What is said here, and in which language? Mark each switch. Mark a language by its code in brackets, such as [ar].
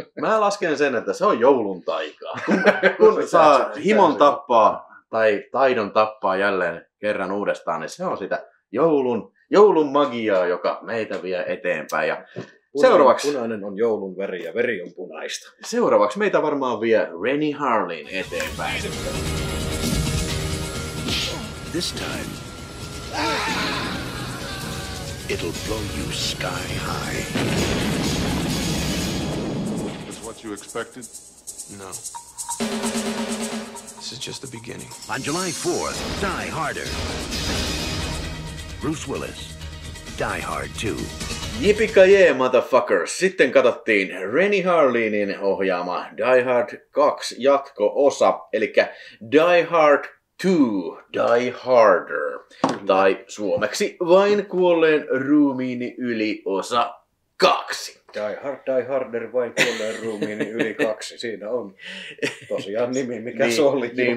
[fi] Mä lasken sen, että se on joulun taikaa. Kun saa himon tappaa tai taidon tappaa jälleen kerran uudestaan, niin se on sitä joulun magiaa, joka meitä vie eteenpäin. Ja seuraavaksi punainen on joulun väri ja veri on punaista. Seuraavaksi meitä varmaan vie Rennie Harlin eteenpäin. [en] This time, it'll blow you sky high. Is what you expected? No. This is just the beginning. On July 4th, Die Harder. Bruce Willis, Die Hard 2. Yippee-ki-yay, motherfuckers! [fi] Sitten katsottiin Rennie Harlinin ohjaama Die Hard 2 jatko-osa, eli Die Hard 2, Die Harder, tai suomeksi vain kuolleen ruumiini yli osa 2. Die Harder, vain kuolleen ruumiini yli 2, siinä on tosiaan nimi, mikä se oli.